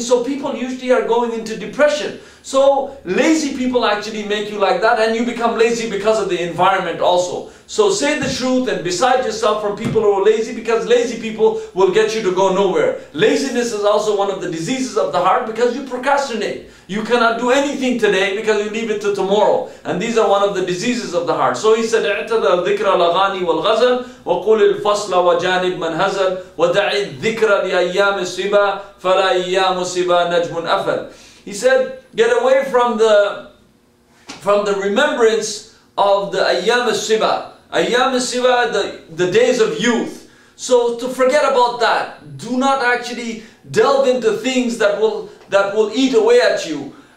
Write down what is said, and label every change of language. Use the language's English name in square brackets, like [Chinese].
[English] So people usually are going into depression. So lazy people actually make you like that, and you become lazy because of the environment also. So say the truth and beside yourself from people who are lazy, because lazy people will get you to go nowhere. Laziness is also one of the diseases of the heart because you procrastinate. You cannot do anything today because you leave it to tomorrow. And these are one of the diseases of the heart. So he said, [Arabic] اعتذى الذكر لغاني والغزل وقول الفصل وجانب من هزل ودع الذكر لأيام السبا فلا أيام السبا نجم أفل. [English] He said, get away from the remembrance of the Ayyam al-Siba. Ayyam al-Siba, the days of youth. So to forget about that, do not actually delve into things that will eat away at you.